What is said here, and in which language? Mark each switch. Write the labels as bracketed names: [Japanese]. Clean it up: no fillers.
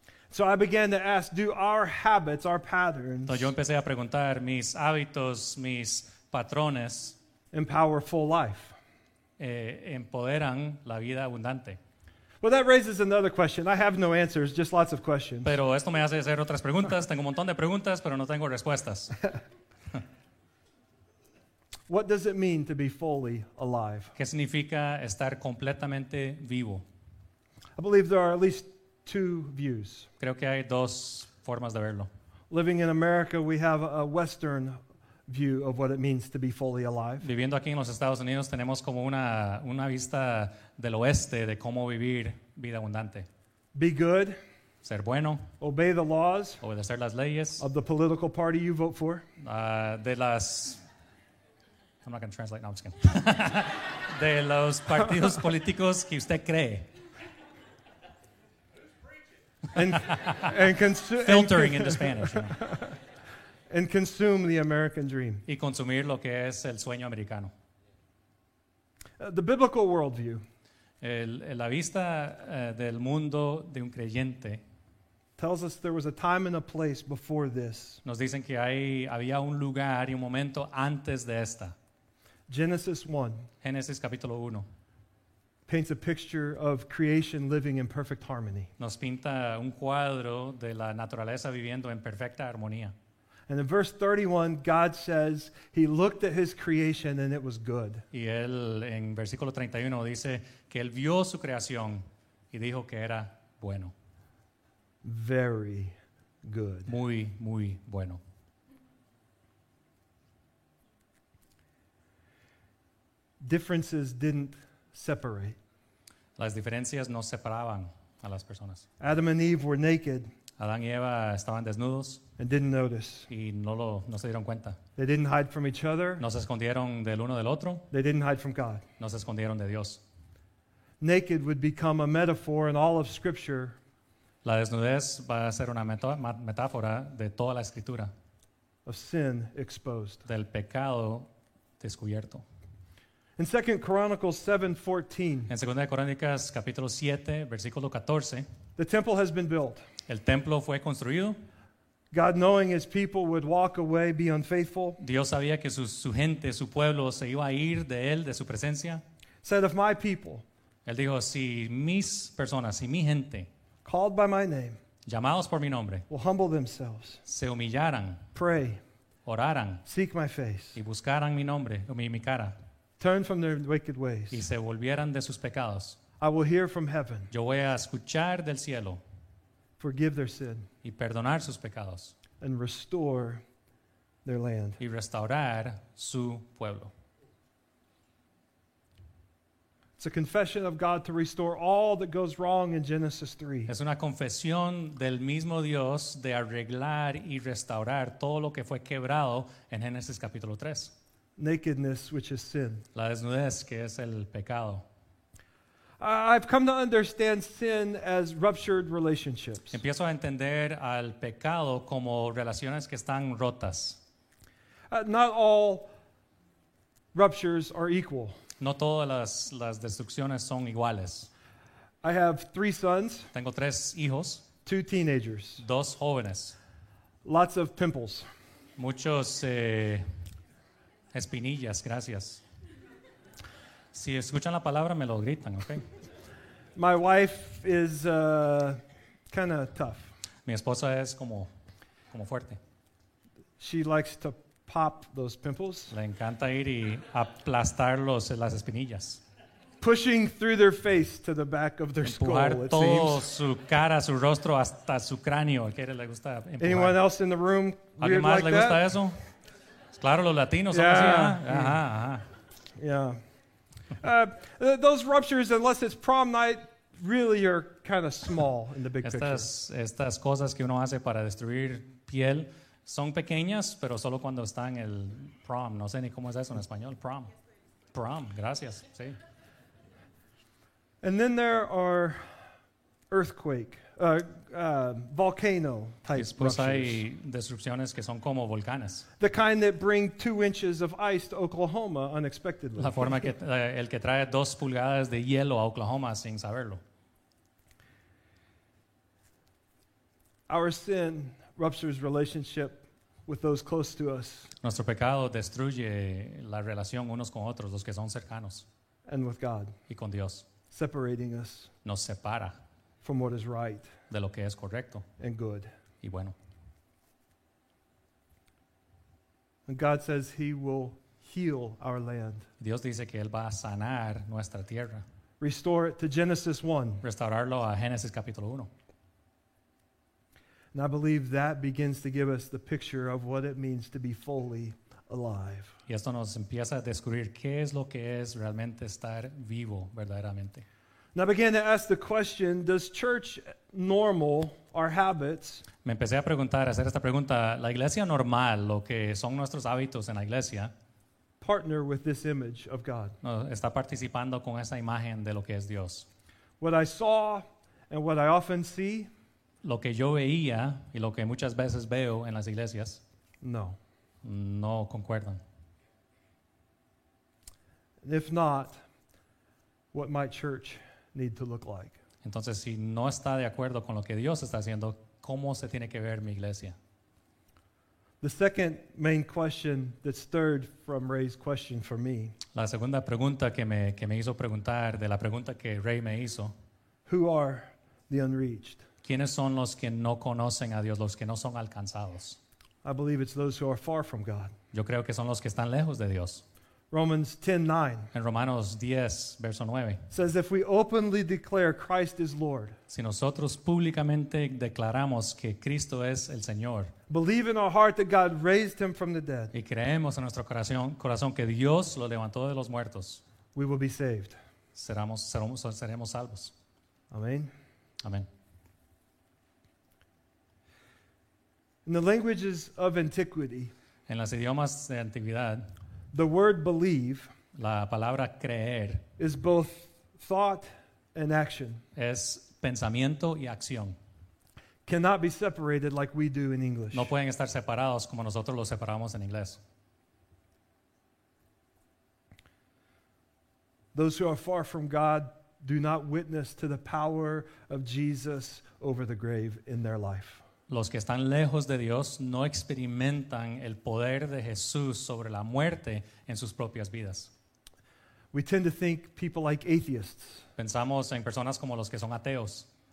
[English] So I began to ask, do our habits, our patterns. [Spanish] Entonces yo empecé a preguntar, mis hábitos, mis patrones. [English] Empower full life. [Spanish] Empoderan la vida abundante. [English] Well, that raises another question. I have no answers, just lots of questions. [Spanish] Pero esto me hace hacer otras preguntas. Tengo un montón de preguntas, pero no tengo respuestas. [English] What does it mean to be fully alive? [Spanish] ¿Qué significa estar completamente vivo? [English] I believe there are at least two views. [Spanish] Creo que hay dos formas de verlo. [English] Living in America, we have a Western view of what it means to be fully alive. [Spanish] Viviendo aquí en los Estados Unidos tenemos como una vista del oeste de cómo vivir vida abundante. [English] Be good. [Spanish] Ser bueno. [English] Obey the laws. [Spanish] Obedecer las leyes. [English] Of the political party you vote for. [Spanish] De las... [English] I'm not going to translate. No, I'm just kidding. [Spanish] De los partidos políticos que usted cree. [English] And filtering into Spanish. You know. And consume the American dream. [Spanish] Y consumir lo que es el sueño americano. [English] The biblical worldview. [Spanish] La vista del mundo de un creyente. [English] Tells us there was a time and a place before this. [Spanish] Nos dicen que había un lugar y un momento antes de esta. [English] Genesis 1. [Spanish] Génesis capítulo 1. [English] Paints a picture of creation living in perfect harmony. [Spanish] Nos pinta un cuadro de la naturaleza viviendo en perfecta armonía. [English] And in verse 31, God says he looked at his creation and it was good. [Spanish] Y él en versículo 31 dice que él vio su creación y dijo que era bueno. [English] Very good. [Spanish] Muy, muy bueno. [English] Differences didn't separate. [Spanish] Las diferencias no separaban a las personas. [English] Adam and Eve were naked. [Spanish] Adán y Eva estaban desnudos. [English] And didn't notice. [Spanish] Y no se dieron cuenta. [English] They didn't hide from each other. [Spanish] No se escondieron del uno del otro. [English] They didn't hide from God. [Spanish] No se escondieron de Dios. [English] Naked would become a metaphor in all of Scripture. [Spanish] La desnudez va a ser una metáfora de toda la Escritura. [English] Of sin exposed. [Spanish] Del pecado descubierto. [English] In 2 Chronicles 7:14. [Spanish] En 2 Crónicas capítulo 7, versículo 14. [English] The temple has been built. [Spanish] El templo fue construido. [English] God, knowing his people would walk away, be unfaithful. [Spanish] Dios sabía que su gente, su pueblo, se iba a ir de él, de su presencia. [English] Said of my people. [Spanish] Él dijo, si mis personas, si mi gente. [English] Called by my name. [Spanish] Llamados por mi nombre. [English] Will humble themselves. [Spanish] Se humillaran. [English] Pray. [Spanish] Oraran. [English] Seek my face. [Spanish] Y buscaran mi nombre, mi cara. [English] Turn from their wicked ways. [Spanish] Y se volvieran de sus pecados. [English] I will hear from heaven. [Spanish] Yo voy a escuchar del cielo. [English] Forgive their sin. [Spanish] Y perdonar sus pecados. [English] And restore their land. [Spanish] Y restaurar su pueblo. [English] It's a confession of God to restore all that goes wrong in Genesis 3. [Spanish] Es una confesión del mismo Dios de arreglar y restaurar todo lo que fue quebrado en Génesis capítulo 3. [English] Nakedness, which is sin. [Spanish] La desnudez, que es el pecado. [English] I've come to understand sin as ruptured relationships. [Spanish] Empiezo a entender al pecado como relaciones que están rotas. [English] Not all ruptures are equal. [Spanish] No todas las destrucciones son iguales. [English] I have three sons. [Spanish] Tengo tres hijos. [English] Two teenagers. [Spanish] Dos jóvenes. [English] Lots of pimples. [Spanish] Muchos espinillas, gracias. Si escuchan la palabra, me lo gritan, okay. [English] My wife is kind of tough. [Spanish] Mi esposa es como fuerte. [English] She likes to pop those pimples. [Spanish] Le encanta ir y aplastar las espinillas. [English] Pushing through their face to the back of their [Spanish] empujar [English] skull, it seems. [Spanish] Empujar todo su cara, su rostro, hasta su cráneo. ¿A quién le gusta empujar? [English] Anyone else in the room weird like that? [Spanish] ¿Alguien más le gusta eso? Claro, los latinos son así, ¿eh? [English] Yeah. Those ruptures, unless it's prom night, really are kind of small in the big picture. [Spanish] Estas cosas que uno hace para destruir piel son pequeñas, pero solo cuando está en el prom. No sé ni cómo es eso en español. Prom. Prom. Gracias. Sí. [English] And then there are earthquake, volcano type [Spanish] después ruptures. Hay destrucciones que son como volcanes. [English] The kind that bring 2 inches of ice to Oklahoma unexpectedly. [Spanish] La forma que el que trae 2 pulgadas de hielo a Oklahoma sin saberlo. [English] Our sin ruptures relationship with those close to us. [Spanish] Nuestro pecado destruye la relación unos con otros, los que son cercanos. [English] And with God. [Spanish] Y con Dios. [English] Separating us. [Spanish] Nos separa. [English] From what is right. [Spanish] De lo que es correcto. [English] And good. [Spanish] Y bueno. [English] And God says he will heal our land. [Spanish] Dios dice que él va a sanar nuestra tierra. [English] Restore it to Genesis 1. [Spanish] Restaurarlo a Génesis capítulo 1. [English] And I believe that begins to give us the picture of what it means to be fully alive. [Spanish] Y esto nos empieza a descubrir qué es lo que es realmente estar vivo, verdaderamente. [English] And I began to ask the question, does church normal our habits? [Spanish] Me empecé a preguntar, a hacer esta pregunta, ¿la iglesia normal, lo que son nuestros hábitos en la iglesia? [English] Partner with this image of God. [Spanish] Está participando con esa imagen de lo que es Dios. [English] What I saw and what I often see. [Spanish] Lo que yo veía y lo que muchas veces veo en las iglesias. [English] No. [Spanish] No concuerdan. [English] If not, what might church need to look like? [Spanish] Entonces, si no está de acuerdo con lo que Dios está haciendo, ¿cómo se tiene que ver mi iglesia? [English] The second main question that stirred from Ray's question for me. [Spanish] La segunda pregunta que me hizo preguntar de la pregunta que Ray me hizo. [English] Who are the unreached? [Spanish] ¿Quiénes son los que no conocen a Dios, los que no son alcanzados? [English] I believe it's those who are far from God. [Spanish] Yo creo que son los que están lejos de Dios. [English] Romans 10:9. [Spanish] En Romanos 10, verso 9. [English] Says if we openly declare Christ is Lord. [Spanish] Si nosotros públicamente declaramos que Cristo es el Señor. [English] Believe in our heart that God raised him from the dead. [Spanish] Y creemos en nuestro corazón que Dios lo levantó de los muertos. [English] We will be saved. [Spanish] Seremos salvos. Amén. Amén. [English] In the languages of antiquity. [Spanish] En los idiomas de antigüedad. [English] The word believe, [Spanish] la palabra creer, [English] is both thought and action. [Spanish] Es pensamiento y acción. [English] Cannot be separated like we do in English. [Spanish] No pueden estar separados como nosotros los separamos en inglés. [English] Those who are far from God do not witness to the power of Jesus over the grave in their life. [Spanish] Los que están lejos de Dios no experimentan el poder de Jesús sobre la muerte en sus propias vidas. [English] We tend to think people like atheists. [Spanish] Pensamos en personas como los que son ateos.